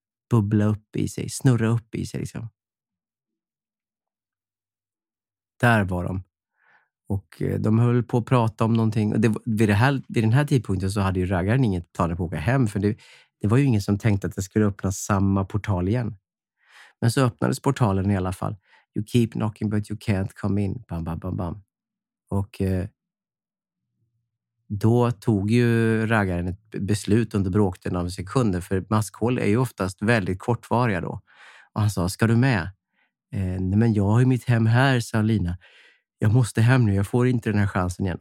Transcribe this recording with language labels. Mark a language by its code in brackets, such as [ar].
[sv] Bubbla upp i sig, snurra upp i sig liksom. Där var de. Och de höll på att prata om någonting. Och vid den här tidpunkten så hade ju raggaren inget planer på att åka hem. För det var ju ingen som tänkte att det skulle öppnas samma portal igen. Men så öppnades portalen i alla fall. [en] You keep knocking but you can't come in. Bam, bam, bam, bam. [sv] Och då tog ju raggaren ett beslut under bråkten av sekunder. För maskhål är ju oftast väldigt kortvariga då. Och han sa, ska du med? Nej, men jag har ju mitt hem här, sa Lina. Jag måste hem nu, jag får inte den här chansen igen.